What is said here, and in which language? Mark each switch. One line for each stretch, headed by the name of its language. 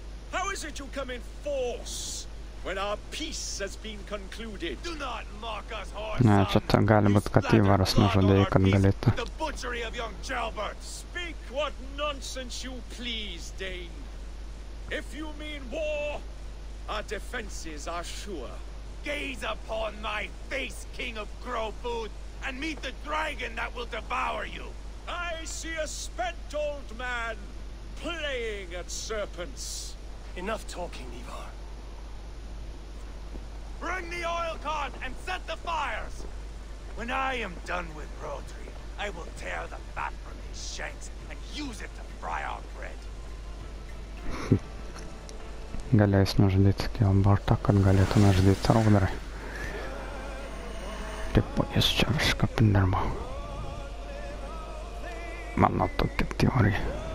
English: How is it you come in force when our peace has been concluded? Do not mock us, horse.
Lithuanian: Ne, čia ta gali būt, kad Ivaras nužudėjo, kad galėtų.
English: The butchery of young Chalbert. Speak what nonsense you please, Dane. If you mean war, our defenses are sure. Gaze upon my face, King of Crowfood. And meet the dragon that will devour you. I see a spent old man playing at serpents. Enough talking, Ivar. Bring the oil cart and set the fires. When I am done with Rodri, I will tear the fat from his shanks and use it to fry our bread.
Lithuanian: Galės nužudyti Kelbartą, kad galėtų nužudyti Rodri. Taip, jis čia viską pindarbo. Mano tokia teorija.